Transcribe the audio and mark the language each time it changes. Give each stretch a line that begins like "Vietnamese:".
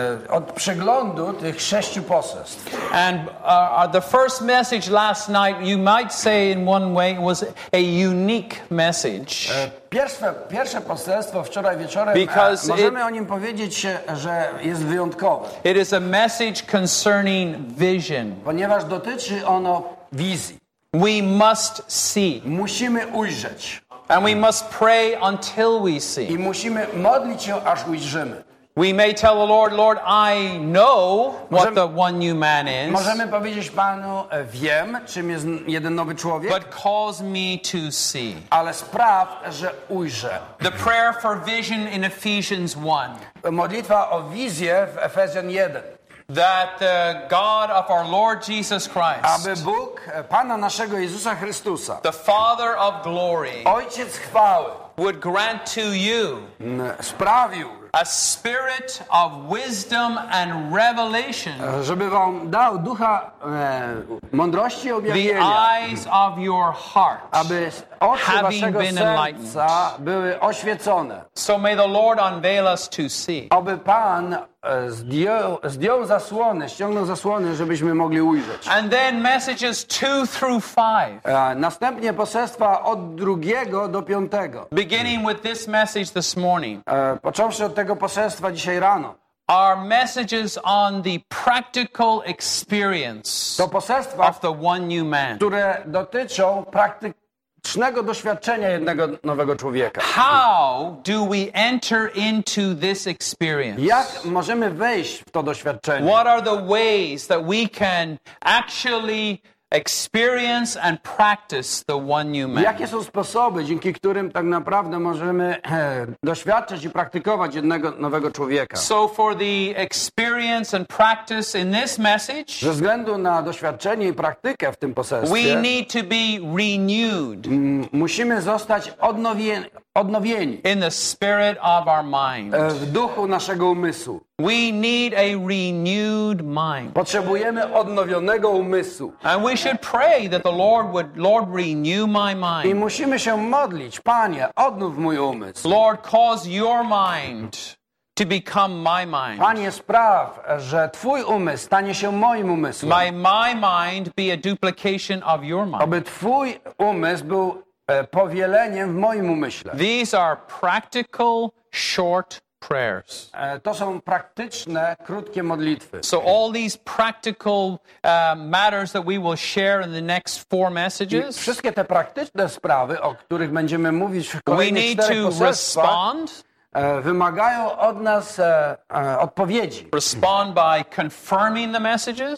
Polish: Od przeglądu tych sześciu poselstw.
English: And the first message last night, you might say in one way, was a unique message.
Polish: Pierwsze poselstwo wczoraj wieczorem, możemy o nim powiedzieć, że jest wyjątkowe.
English: It is a message concerning vision.
Polish: Ponieważ dotyczy ono wizji.
English: We must see.
Polish: Musimy ujrzeć.
English: And we must pray until we see.
Polish: I musimy modlić się, aż ujrzymy.
English: We may tell the Lord, Lord, I know what the one new man is.
Polish: Możemy powiedzieć Panu, wiem, czym jest jeden nowy człowiek.
English: But cause me to see.
Polish: Ale spraw, że ujrzę.
English: The prayer for vision in Ephesians 1.
Polish: Modlitwa o wizję w Efezjan 1.
English: That the God of our Lord Jesus Christ,
Polish: aby Bóg Pana naszego Jezusa Chrystusa,
English: the Father of glory,
Polish: Ojciec chwały,
English: would grant to you,
Polish: sprawił,
English: a spirit of wisdom and revelation,
Polish: żeby wam dał ducha mądrości i objawienia,
English: the eyes of your heart,
Polish: aby oczy waszego serca były oświecone,
English: so may the Lord unveil us to see,
Polish: aby Pan zdjął zasłony, ściągnął zasłony, żebyśmy mogli ujrzeć.
English: And then messages 2 through 5.
Polish: Następnie poselstwa od 2 do 5.
English: Beginning with this message this morning.
Polish: Począwszy od tego poselstwa dzisiaj rano.
English: Are messages on the practical experience of the one new man.
Polish: Które dotyczą praktycznego doświadczenia jednego nowego człowieka.
English: How do we enter into this experience?
Polish: Jak możemy wejść w to doświadczenie?
English: What are the ways that we can actually experience and practice the one new man?
Polish: Jakie są sposoby, dzięki którym tak naprawdę możemy doświadczać i praktykować jednego nowego człowieka?
English: So for the experience and practice in this message,
Polish: ze względu na doświadczenie i praktykę w tym poselstwie,
English: we need to be renewed.
Polish: Musimy zostać odnowieni.
English: In the spirit of our mind.
Polish: W duchu naszego umysłu.
English: We need a renewed mind.
Polish: Potrzebujemy odnowionego umysłu.
English: And we should pray that the Lord renew my mind.
Polish: I musimy się modlić, Panie, odnów mój umysł.
English: Lord, cause your mind to become my mind.
Polish: Panie, spraw, że twój umysł stanie się moim umysłem.
English: May my mind be a duplication of your mind.
Polish: Aby twój umysł był powieleniem w moim umyśle.
English: These are practical, short prayers.
Polish: To są praktyczne, krótkie modlitwy.
English: So all these practical matters that we will share in the next 4 messages.
Polish: Wszystkie te praktyczne sprawy, o których będziemy mówić w kolejnych 4 poselstwach. Wymagają od nas odpowiedzi.
English: Respond by confirming the messages.